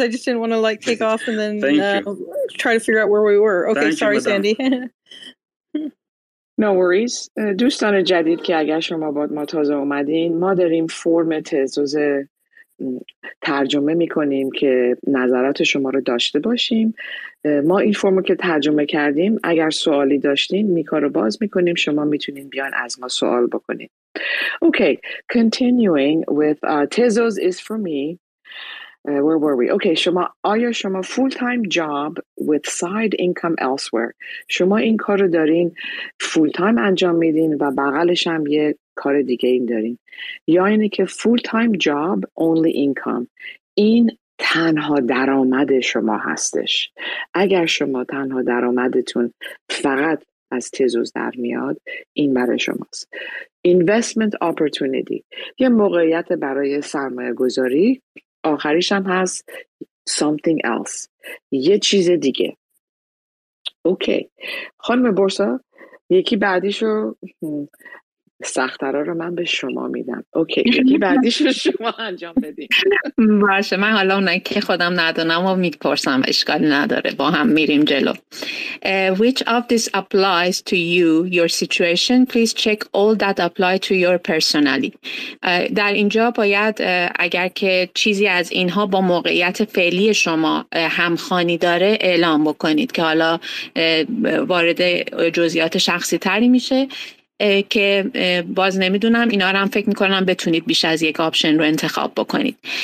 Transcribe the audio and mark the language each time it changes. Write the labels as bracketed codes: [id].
[en] I just didn't want to like take off and then try to figure out where we were. Okay, thank sorry, you, Sandy. No worries. [fa] دوستان جدید که اگر شما باید ما تازه اومدین، ما داریم فرم تزوز ترجمه میکنیم که نظرات شما رو داشته باشیم. ما این فرم رو که ترجمه کردیم، اگر سوالی داشتین میکا رو باز میکنیم، شما میتونین بیان از ما سوال بکنین. [en] Okay, continuing with Tezos is for me. Where were we? Okay, [fa] شما [en] full time job with side income elsewhere. [fa] شما این کار رو دارین full time انجام میدین و بغلش هم یه کار دیگه این دارین. یا اینه که [en] full time job only income. [fa] این تنها درآمد شما هستش. اگر شما تنها درآمدتون فقط از تزوز در میاد، این برای شماست. [en] Investment opportunity. [fa] یه موقعیت برای سرمایه گذاری. آخریش هم هست [en] something else، [fa] یه چیز دیگه. اوکی خانم بورسا، یکی بعدیشو سخت‌ترا رو من به شما میدم. اوکی، یکی بعدیش رو شما انجام بدیم. باشه، من حالا اونه که خودم ندونم و میپرسم، اشکال نداره، با هم میریم جلو. [en] Which of this applies to you, your situation? Please check all that apply to your personality. [fa] در اینجا باید اگر که چیزی از اینها با موقعیت فعلی شما همخوانی داره اعلام بکنید، که حالا وارد جزئیات شخصی تری میشه که باز نمیدونم اینا رو هم فکر میکنم بتونید بیش از یک آپشن رو انتخاب بکنید.